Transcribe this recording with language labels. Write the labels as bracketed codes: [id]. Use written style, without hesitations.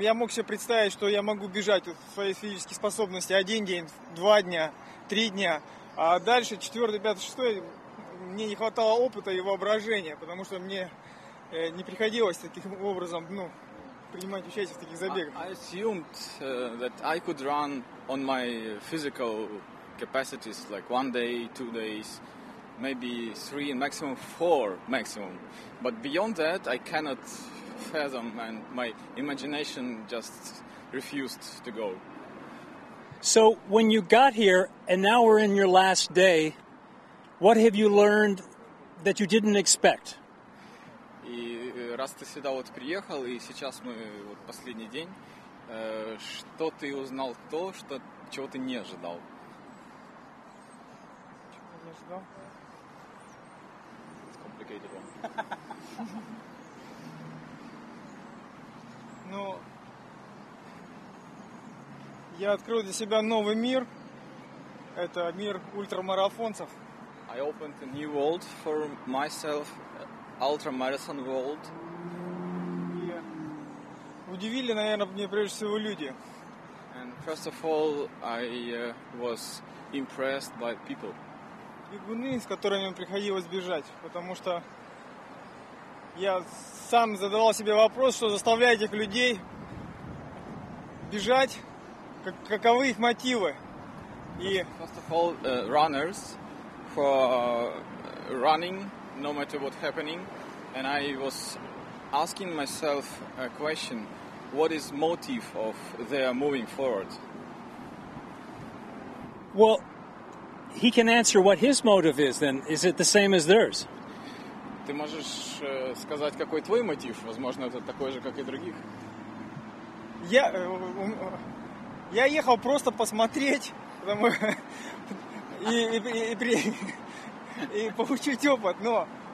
[ru] Я мог себе представить, что я могу бежать в своей физической способности один день, два дня, три дня. А дальше, четвертый, пятый, шестой, мне не хватало опыта и воображения, потому что мне не приходилось таким образом, ну, принимать участие в таких забегах. [en] I assumed that I could run on my physical capacities, like one day, two days, maybe three, maximum four, maximum. But beyond that, I cannot fathom, and my imagination just refused to go. So, when you got here, and now we're in your last day, what have you learned that you didn't expect? [ru] И раз ты сюда вот приехал, и сейчас мы вот последний день, что ты узнал то, что чего ты не ожидал? Чего не ожидал? [en] It's complicated one. [ru] Ну, я открыл для себя новый мир. Это мир ультрамарафонцев. [en] I opened a new world for myself. Ultramarathon world. Yeah. [ru] Удивили, наверное, мне прежде всего люди. [en] And first of all, I was impressed by people. [ru] Бегуны, с которыми приходилось бежать, потому что я сам задавал себе вопрос, что заставляет этих людей бежать, каковы их мотивы. [en] First of all, runners for running, no matter what happening. And I was asking myself a question: what is motive of their moving forward? Well, he can answer what his motive is. Then is it the same as theirs? [ru] Ты можешь сказать, какой твой мотив? Возможно, это такой же, как и других. Я ехал просто посмотреть, потому и получить опыт, но.